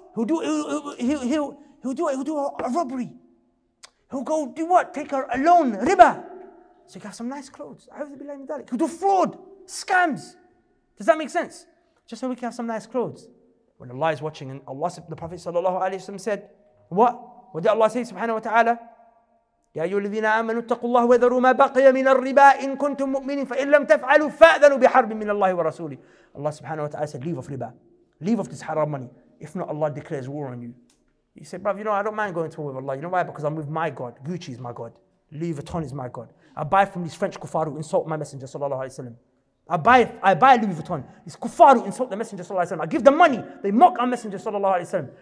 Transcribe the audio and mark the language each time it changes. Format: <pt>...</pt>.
<en>He'll do a robbery. He'll go do what? Take a loan, riba. So he can have some nice clothes. I would be like that. He'll do fraud, scams. Does that make sense? Just so we can have some nice clothes. When Allah is watching, and Allah, the Prophet sallallahu alaihi wasallam said, what? What did Allah say, subhanahu wa ta'ala?</en> <ar>يا أيها الذين آمنوا اتقوا الله وذروا ما بقي من الربا إن كنتم مؤمنين فإن لم تفعلوا فأذنوا بحرب من الله ورسوله.</ar> <en>Allah subhanahu wa ta'ala said, leave off riba. Leave off this haram money. If not, Allah declares war on you. He said, bruv, you know, I don't mind going to war with Allah. You know why? Because I'm with my God. Gucci is my God. Louis Vuitton is my God. I buy from these French kuffar who insult my messenger, sallallahu alayhi wa sallam. I buy Louis Vuitton. These kuffar who insult the messenger, sallallahu alayhi wa sallam. I give them money. They mock our messenger, sallallahu alayhi wa sallam.</en>